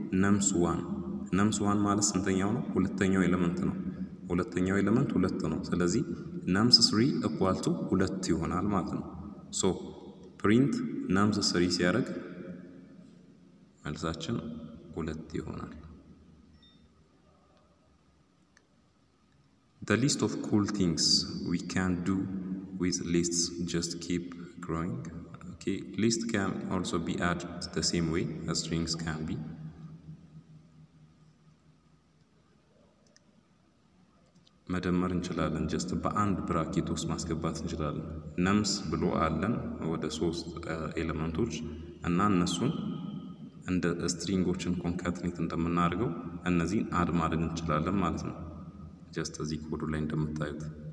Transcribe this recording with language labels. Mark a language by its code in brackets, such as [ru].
[am] ነምስ ዋን። ነምስ ዋን ማለት ስንተኛው ነው? ሁለተኛው ኤለመንት ነው። ሁለተኛው ኤለመንት ሁለት ነው። ስለዚህ ነምስ ስሪ ኢኳል ቱ ሁለት ይሆናል ማለት ነው። ሶ ፕሪንት ነምስ ስሪ ሲያደርግ መልሳችን ሁለት ይሆናል። [en] The list of cool things we can do with lists just keep growing. Okay, list can also be added the same way as strings can be. [am] መደመር እንችላለን። just በአንድ ብራኬት ውስጥ ማስገባት እንችላለን። ነምስ ብሎ አለን ወደ ሶስት ኤሌመንቶች እና እነሱን እንደ ስትሪንጎችን ኮንካትኔት እንደምናደርገው እነዚህን አድ ማድረግ እንችላለን ማለት ነው። ጀስት እዚህ ኮዱ ላይ እንደምታዩት